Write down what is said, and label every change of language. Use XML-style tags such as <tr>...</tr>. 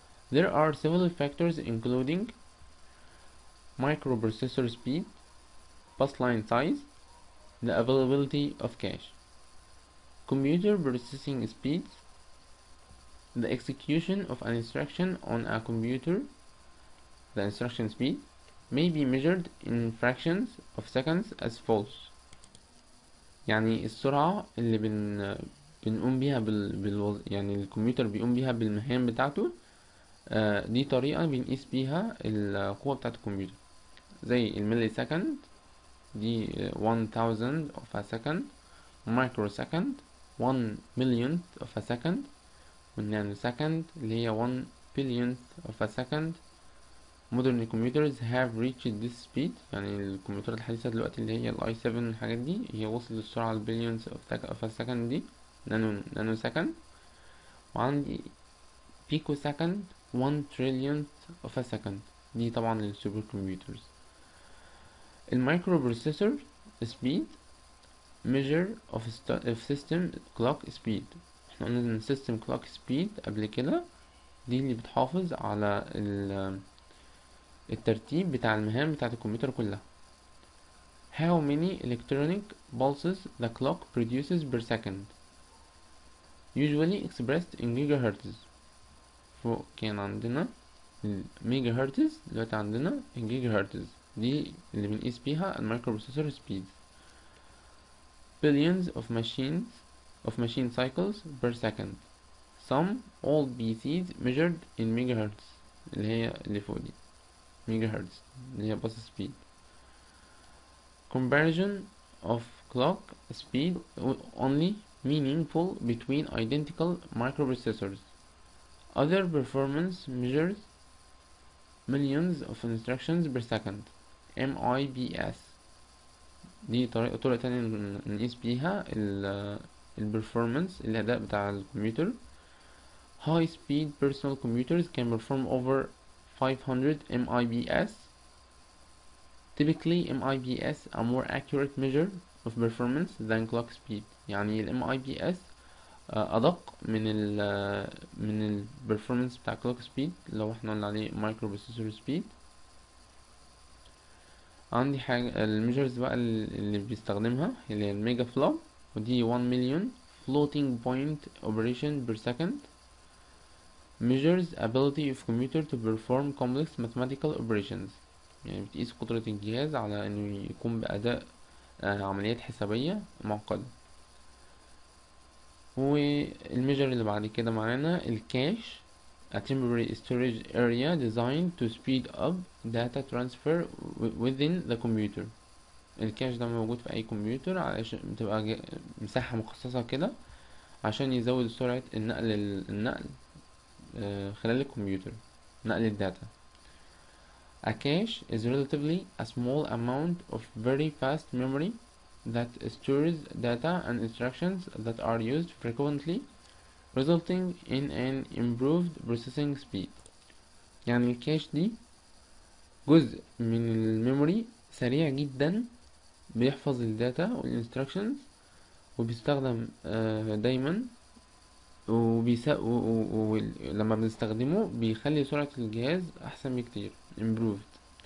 <en>There are several factors including microprocessor speed, bus line size, the availability of cache. Computer processing speeds, the execution of an instruction on a computer, the instruction speed, may be measured in fractions of seconds as false.</en> <ar>يعني السرعة اللي بنقوم بيها يعني الكمبيوتر بيقوم بيها بالمهام بتاعته، دي طريقة بنقيس بيها القوة بتاعة الكمبيوتر، زي الملي سكند دي</ar> <en>1000 of a second،</en> <ar>مايكرو سكند</ar> <en>1 millionth of a second،</en> <ar>والنانو سكند اللي هي</ar> <en>1 billionth of a second. Modern computers have reached this speed.</en> <ar>يعني الكمبيوترات الحديثة دلوقتي اللي هي ال i7 والحاجات دي، هي وصلت للسرعة ال</ar> <en>billionth of a second</en> <ar>دي، نانو سكند. وعندي بيكو سكند</ar> <en>1 trillionth of a second،</en> <ar>دي طبعا للسوبر كمبيوترز.</ar> <en>المايكرو processor speed measure of system clock speed.</en> <ar>احنا قلنا ان</ar> <en>system clock speed</en> <ar>قبل كده دي اللي بتحافظ على الترتيب بتاع المهام بتاعة الكمبيوتر كلها.</ar> <en>How many electronic pulses the clock produces per second usually expressed in gigahertz.</en> <ar>فوق كان عندنا الميجا هرتز، دلوقتي عندنا الجيجا هرتز، دي اللي بنقيس بيها المايكرو بروسيسور سبيد.</ar> <en>Billions of machine cycles per second. Some old PCs measured in megahertz.</en> <ar>اللي هي اللي فوق دي megahertz اللي هي bus speed.</ar> <en>Comparison of clock speed only meaningful between identical microprocessors. Other performance measures millions of instructions per second MIPS.</en> <ar>دي طريقة طرق تانية نقيس بيها ال performance الأداء بتاع الكمبيوتر.</ar> <en>High speed personal computers can perform over 500 MIPS. Typically MIPS a more accurate measure of performance than clock speed.</en> <ar>يعني ال MIPS أدق من ال performance بتاع</ar> <en>clock speed</en> <ar>لو احنا قلنا عليه</ar> <en>microprocessor speed.</en> <ar>عندي حاجة ال measures بقى اللي بيستخدمها اللي هي ال</ar> <en>mega flop</en> <ar>ودي 1 مليون</ar> <en>floating point operation per second measures ability of computer to perform complex mathematical operations.</en> <ar>يعني بتقيس قدرة الجهاز على انه يقوم بأداء عمليات حسابية معقدة. والميجر اللي بعد كده معانا الكاش</ar> <en>a temporary storage area designed to speed up data transfer within the computer.</en> <ar>الكاش ده موجود في اي كمبيوتر علشان تبقى مساحة مخصصة كده عشان يزود سرعة النقل خلال الكمبيوتر نقل الداتا.</ar> <en>A cache is relatively a small amount of very fast memory that stores data and instructions that are used frequently, resulting in an improved processing speed.</en> <ar>يعني الكاش دي جزء من الميموري سريع جدا بيحفظ الداتا والانستراكشنز وبيستخدم دايما ولما بنستخدمه بيخلي سرعة الجهاز أحسن بكتير improved.</ar>